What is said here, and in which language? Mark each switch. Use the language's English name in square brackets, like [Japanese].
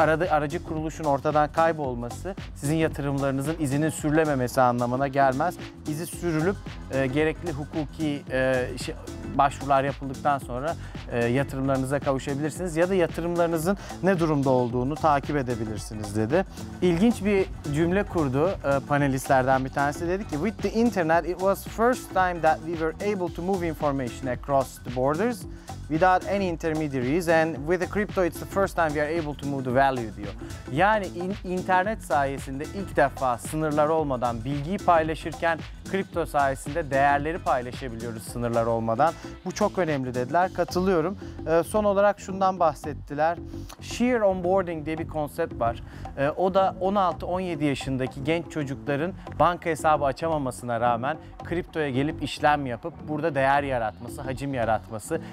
[Turkish] Aracı kuruluşun ortadan kaybolması sizin yatırımlarınızın izinin sürülememesi anlamına gelmez. İzi sürülüp gerekli hukuki başvurular yapıldıktan sonra yatırımlarınıza kavuşabilirsiniz ya da yatırımlarınızın ne durumda olduğunu takip edebilirsiniz dedi. İlginç bir cümle kurdu panelistlerden bir tanesi. Dedi ki, [English] with the internet it was first time that we were able to move information across the borders without any intermediaries and with the crypto it's the first time we are able to move the value [Turkish] diyor. Yani internet sayesinde ilk defa sınırlar olmadan bilgiyi paylaşırken kripto sayesinde değerleri paylaşabiliyoruz sınırlar olmadan. Bu çok önemli dediler. Katılıyorum. Son olarak şundan bahsettiler. Share onboarding diye bir konsept var. O da 16-17 yaşındaki genç çocukların banka hesabı açamamasına rağmen kriptoya gelip işlem yapıp burada değer yaratması, hacim yaratması.